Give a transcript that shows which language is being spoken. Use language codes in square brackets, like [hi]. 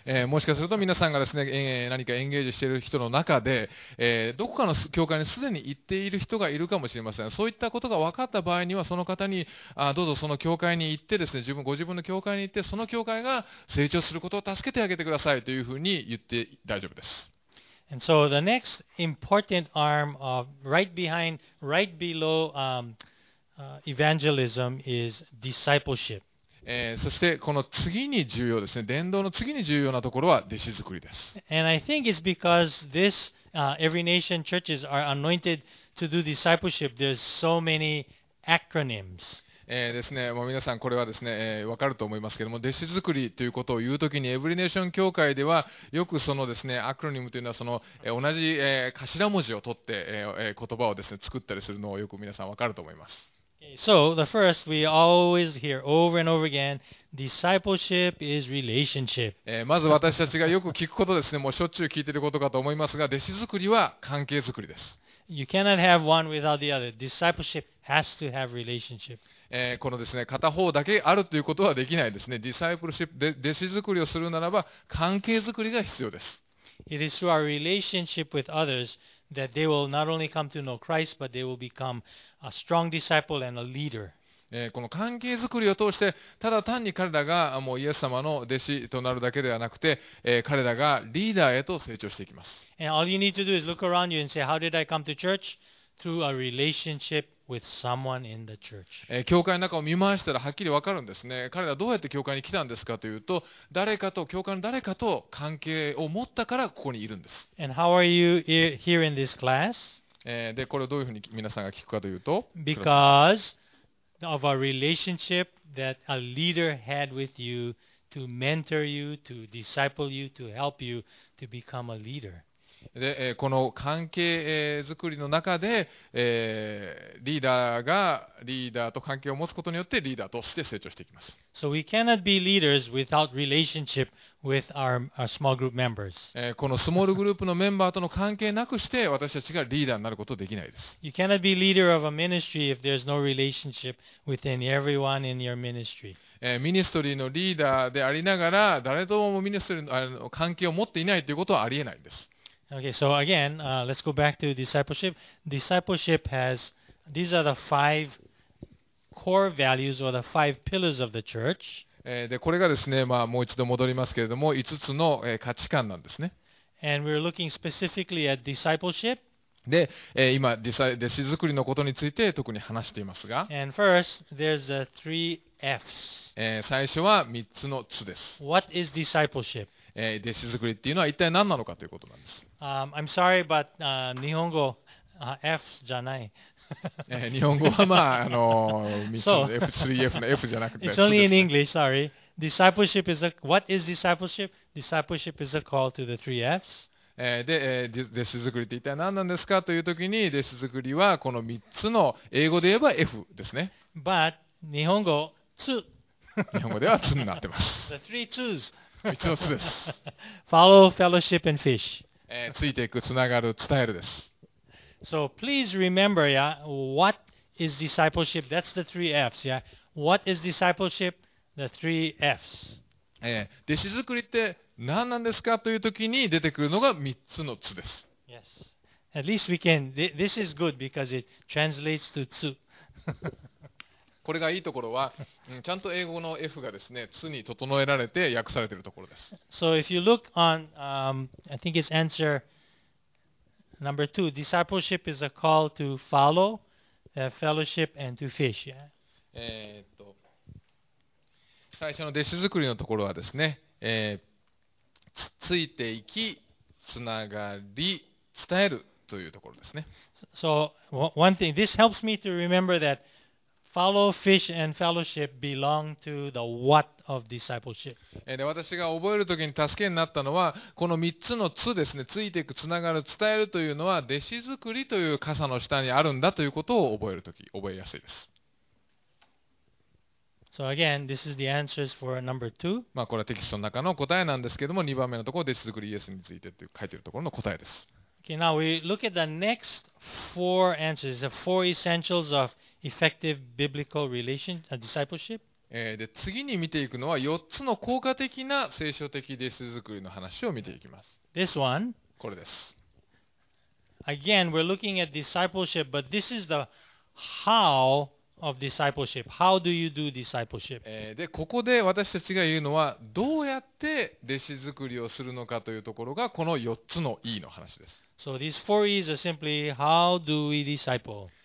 [ja] もしかすると皆さんがですね、何かエンゲージしている人の中で、どこかの教会にすでに行っている人がいるかもしれません。そういったことが分かった場合には、その方にどうぞその教会に行ってですね、ご自分の教会に行って、その教会が成長することを助けてあげてくださいというふうに言って大丈夫です。 [en] And so the next important arm of right behind, right below,evangelism is discipleship. [ja] そしてこの次に重要ですね、伝道の次に重要なところは弟子作りです。 [en] And I think it's because this, every nation churches are anointed to do discipleship. There's so many acronyms. [ja] ですね、もう皆さんこれはですね、分かると思いますけども、弟子作りということを言うときに、エブリネーション教会ではよくそのですね、アクロニムというのはその、同じ、頭文字を取って、言葉をですね、作ったりするのをよく皆さん分かると思います。 [en] So, the first, we always hear over and over again, discipleship is relationship. [ja] まず私たちがよく聞くことですね、もうしょっちゅう聞いていることかと思いますが、弟子作りは関係作りです。 [en] You cannot have one without the other. Discipleship has to have relationship. [ja] このですね、片方だけあるということはできないですね。ディサイプルシップ、弟子作りをするならば、関係作りが必要です。 [en] It is through our relationship with others that they will not only come to know Christ, but they will become a strong disciple and a leader. [ja] この関係作りを通して、ただ単に彼らがもうイエス様の弟子となるだけではなくて、彼らがリーダーへと成長していきます。 [en] And all you need to do is look around you and say, how did I come to church? Through a relationship. With someone in the church. [ja] 教会の中を見回したらはっきり分かるんですね。彼らどうやって教会に来たんですかというと、誰かと教会の誰かと関係を持ったからここにいるんです。 [en] And how are you here in this class? [ja] で、これをどういうふうに皆さんが聞くかというと、 [en] Because of a relationship that a leader had with you to mentor you, to disciple you, to help you to become a leader. [ja] で、この関係作りの中で、リーダーがリーダーと関係を持つことによってリーダーとして成長していきます。 [en] So we cannot be leaders without relationship with our small group members. [ja] このスモールグループのメンバーとの関係なくして私たちがリーダーになることはできないです。 [en] You cannot be leader of a ministry if there's no relationship within everyone in your ministry. [ja] ミニストリーのリーダーでありながら誰ともミニストリーの関係を持っていないということはありえないんです。 [en] Okay, so again, let's go back to discipleship. Discipleship has, these are the five core values or the five pillars of the church. [ja] で、これがですね、まあ、もう一度戻りますけれども、5つの、価値観なんですね。 [en] And we're looking specifically at discipleship. [ja] で、今、弟子作りのことについて特に話していますが。 [en] And first, there's the three Fs. [ja] 最初は3つのつです。 [en] What is discipleship? [ja] 弟子作りっていうのは一体何なのかということなんです。 [en] I'm sorry, but [ja] 日本語 F じゃない。日本語はまあ、F3F の F じゃなくて。 [en] It's only in English, sorry. Discipleship is a, what is discipleship? Discipleship is a call to the three Fs. [ja] で、弟子作りって一体何なんですかというときに、弟子作りはこの3つの英語で言えば F ですね。 But 日本語、つ。日本語ではつになってます。 [en] The three twos. [ja] 3つのつです。 [en] Follow, fellowship, and fish. [ja] ついていく、つながる、伝えるです。 [en] So please remember, yeah, what is discipleship? That's the three Fs, yeah? What is discipleship? The three Fs. [ja] 弟子作りって何なんですかというときに出てくるのが3つのつです。 [en] Yes. At least we can, this is good because it translates to つ。 [ja] これがいいところは、ちゃんと英語の F がですね、つに整えられて訳されているところです。 [en] So if you look on, I think it's answer number two, discipleship is a call to follow, fellowship, and to fish. Yeah. [ja] 最初の弟子作りのところはですね、ついていき、つながり、伝えるというところですね。 [en] So one thing, this helps me to remember that. Follow, fish, and fellowship belong to the what of discipleship. [ja] で、私が覚えるときに助けになったのは、この3つのつですね、ついていく、つながる、伝えるというのは、弟子作りという傘の下にあるんだということを覚えるとき、覚えやすいです。 [en] So again, this is the answers for number two. [ja] まあ、これはテキストの中の答えなんですけれども、2番目のところ、弟子作りイエスについてという書いているところの答えです。 [en] Okay, now we look at the next four answers, the four essentials of effective biblical relation, discipleship. [ja] で次に見ていくのは4つの効果的な聖書的弟子作りの話を見ていきます。 [en] This one. [ja] これです。 [en] Again, we're looking at discipleship, but this is the how of discipleship. How do you do discipleship? [ja] でここで私たちが言うのはどうやって弟子作りをするのかというところがこの4つの E の話です。 [en] So these four E's are simply how do we disciple?